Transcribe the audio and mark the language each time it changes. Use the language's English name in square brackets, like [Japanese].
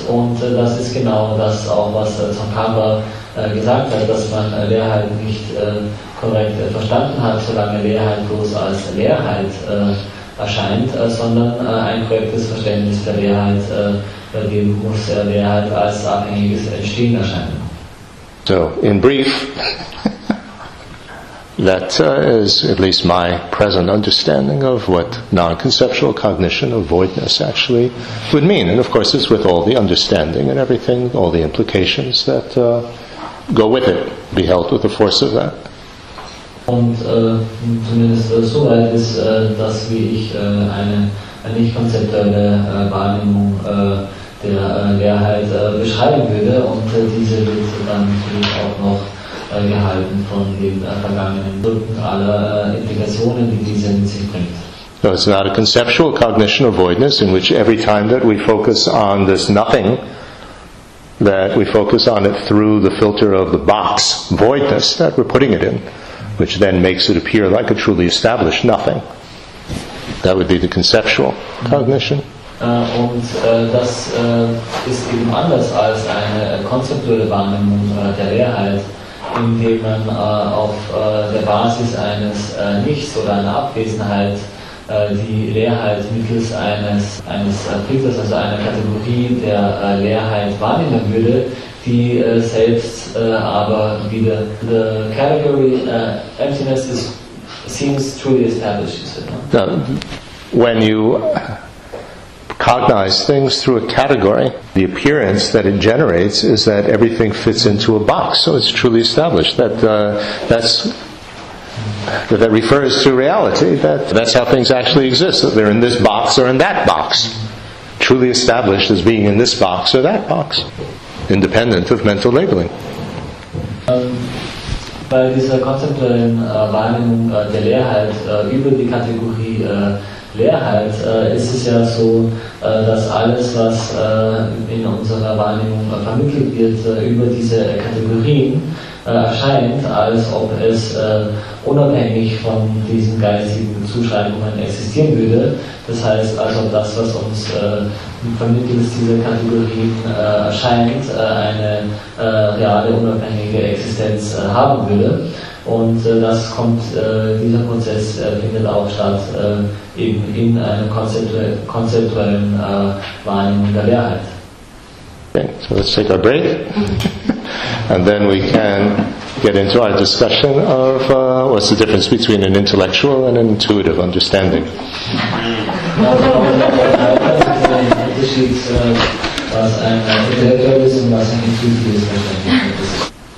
[German] Und das ist genau das auch, was Tsongkhapa gesagt hat, dass man Leerheit nicht korrekt verstanden hat, solange Leerheit bloß als Leerheit erscheint, sondern ein korrektes Verständnis der Leerheit, bei dem muss Leerheit als abhängiges Entstehen erscheinen. [English] So, in brief, that is at least my present understanding of what non-conceptual cognition of voidness actually would mean. And of course, it's with all the understanding and everything, all the implications that go with it, be held with the force of that. [German] Und zumindest so weit ist das, wie ich eine nicht konzeptuelle Wahrnehmung der Leerheit beschreiben würde, und diese wird dann natürlich auch noch gehalten von den vergangenen Gründen aller Implikationen, die diese mit sich bringt. [English] So it's not a conceptual cognition of voidness, in which every time that we focus on this nothing, that we focus on it through the filter of the box voidness that we're putting it in, which then makes it appear like a truly established nothing. That would be the conceptual cognition. [German] Und das ist eben anders als eine konzeptuelle Wahrnehmung der Leerheit, indem man auf der Basis eines Nichts oder einer Abwesenheit die Leerheit mittels eines Filters, also einer Kategorie der Leerheit wahrnehmen würde, die selbst aber wieder [English] the category emptiness is, [German] seems truly established. [English] So, no? When you cognize things through a category, the appearance that it generates is that everything fits into a box, so it's truly established. That refers to reality, that's how things actually exist, that they're in this box or in that box, truly established as being in this box or that box, independent of mental labeling. [German] Bei dieser konzeptuellen Wahrnehmung der Leerheit über die Kategorie Leerheit ist es ja so, dass alles, was in unserer Wahrnehmung vermittelt wird über diese Kategorien, erscheint, als ob es unabhängig von diesen geistigen Zuschreibungen existieren würde. Das heißt, also das, was uns vermittels dieser Kategorien erscheint, eine reale, unabhängige Existenz haben würde. Und das kommt, dieser Prozess findet auch statt eben in einer konzeptuellen Wahrnehmung der Leerheit. [English] Okay, so let's take our break. And then we can get into our discussion of what's the difference between an intellectual and an intuitive understanding. [German] Was ein intellektuelles und was ein intuitives Verständnis ist.